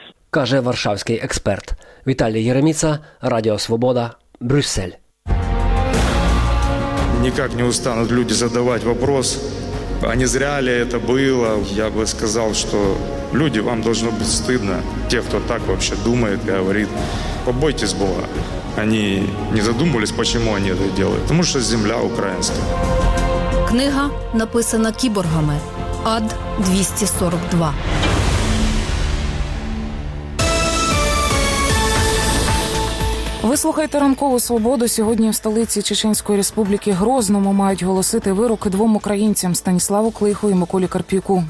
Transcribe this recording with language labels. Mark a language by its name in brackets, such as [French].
[Ukrainian] Каже варшавський експерт. Віталій Єреміця, Радіо Свобода, Брюссель. [Russian] Ніяк не устануть люди задавати вопрос. А не зря ли это было? Я бы сказал, что люди, вам должно быть стыдно. Те, кто так вообще думает, говорит, побойтесь Бога. Они не задумывались, почему они это делают. Потому что земля украинская. [Ukrainian] Книга написана кіборгами. Ад 242. Ви слухаєте «Ранкову свободу». Сьогодні в столиці Чеченської Республіки Грозному мають голосити вирок двом українцям – Станіславу Клиху і Миколі Карп'юку.